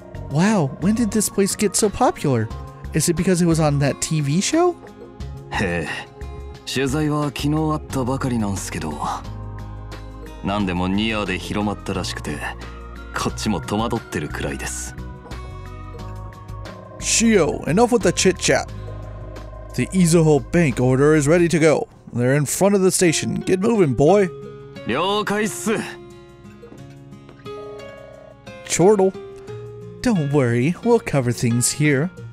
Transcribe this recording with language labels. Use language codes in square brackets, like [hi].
[en] Wow, when did this place get so popular? Is it because it was on that TV show? [ja] へえ、取材は昨日あったばかりなんすけど、なんでもニアで広まったらしくて、こっちも戸惑ってるくらいです。 [en] Shio, enough with the chit chat. The Izuho Bank order is ready to go. They're in front of the station. Get moving, boy. [ja] 了解っす。 [en] Chortle, don't worry. We'll cover things here.